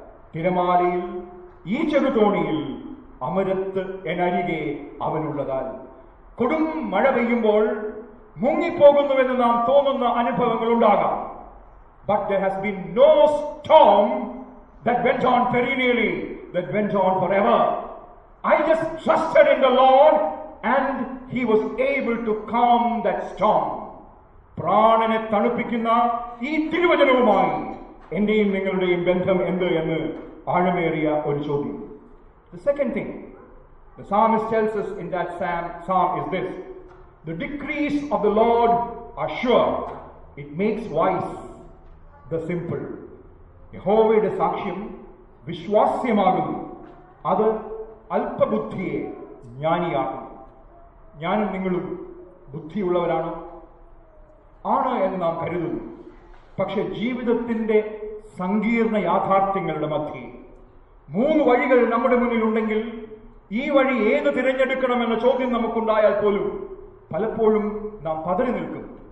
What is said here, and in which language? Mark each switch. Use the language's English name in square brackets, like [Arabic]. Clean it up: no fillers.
[Malayalam] തിരമാലയിൽ ഈ ചെറുതോണിയിൽ അമരത്ത് എനരികെ അവനുള്ളതാൽ. കൊടും മഴ പെയ്യുമ്പോൾ മുങ്ങിപ്പോകുന്നുവെന്ന് നാം തോന്നുന്ന അനുഭവങ്ങൾ ഉണ്ടാകാം. [English] But there has been no storm that went on perennially, that went on forever. I just trusted in the Lord and he was able to calm that storm. [Malayalam] പ്രാണനെ തണുപ്പിക്കുന്ന ഈ തിരുവചനവുമായി എന്റെയും നിങ്ങളുടെയും ബന്ധം എന്ത് എന്ന് ആഴമേറിയ ഒരു ചോദ്യം. [English] The second thing the psalmist tells us in that psalm is this: the decrees of the Lord are sure, it makes wise the simple. [Malayalam] യഹോവയുടെ സാക്ഷ്യം വിശ്വാസ്യമാകുന്നു, അത് അല്പബുദ്ധിയെ ജ്ഞാനിയാക്കും. ഞാനും നിങ്ങളും ബുദ്ധിയുള്ളവരാണ് ആണ് എന്ന് നാം കരുതുന്നു. പക്ഷെ ജീവിതത്തിന്റെ സങ്കീർണ യാഥാർത്ഥ്യങ്ങളുടെ മധ്യെ മൂന്ന് വഴികൾ നമ്മുടെ മുന്നിലുണ്ടെങ്കിൽ ഈ വഴി ഏത് തിരഞ്ഞെടുക്കണം എന്ന ചോദ്യം നമുക്കുണ്ടായാൽ പോലും പലപ്പോഴും നാം പതറി നിൽക്കും.